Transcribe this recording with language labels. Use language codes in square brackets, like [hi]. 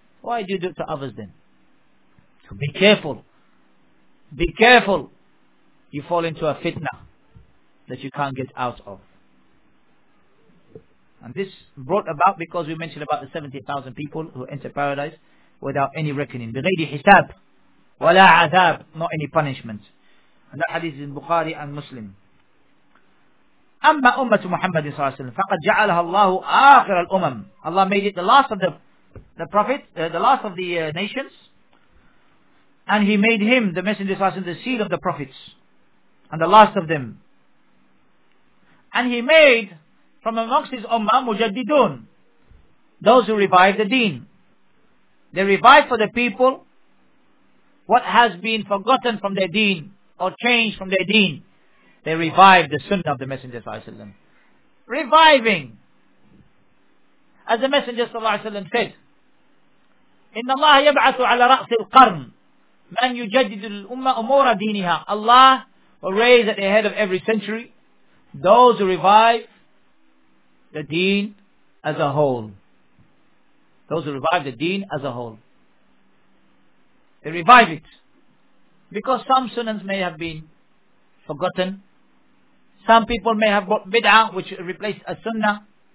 [en] Why do you do it to others then? So be careful. Be careful. You fall into a fitna that you can't get out of. And this brought about because we mentioned about the 70,000 people who enter paradise without any reckoning. [ar] بِغَيْدِ حِسَابْ وَلَا عَذَابْ [en] Not any punishment. And that hadith is in Bukhari and Muslim. [ar] أَمَّا أُمَّةُ مُحَمَّدٍ صَلَى اللَّهُ عَلَيْهِ وَسَلَّمَ فَقَدْ جَعَلَهَا اللَّهُ آخِرَ الْأُمَمِ [en] Allah made it the last of the prophets, the last of the nations. And He made him, the Messenger صلى الله عليه وسلم, the seed of the prophets. And the last of them. And He made from amongst His ummah, مُجَدِّدُون Those who revive the deen. They revive for the people what has been forgotten from their deen. Or change from their deen. They revive the sunnah of the Messenger Sallallahu Alaihi Wasallam. Reviving. [ar] As the Messenger Sallallahu Alaihi Wasallam said, إِنَّ اللَّهَ يَبْعَثُ عَلَى رَأْسِ الْقَرْنِ مَنْ يُجَدِّدُ الْأُمَّةُ أُمُورَ دِينِهَا Allah [en] were raised at the head of every century, those who revive the deen as a whole. Those who revive the deen as a whole. They revive it. Because some sunnahs may have been forgotten. Some people may have brought bid'ah, which replaced a sunnah.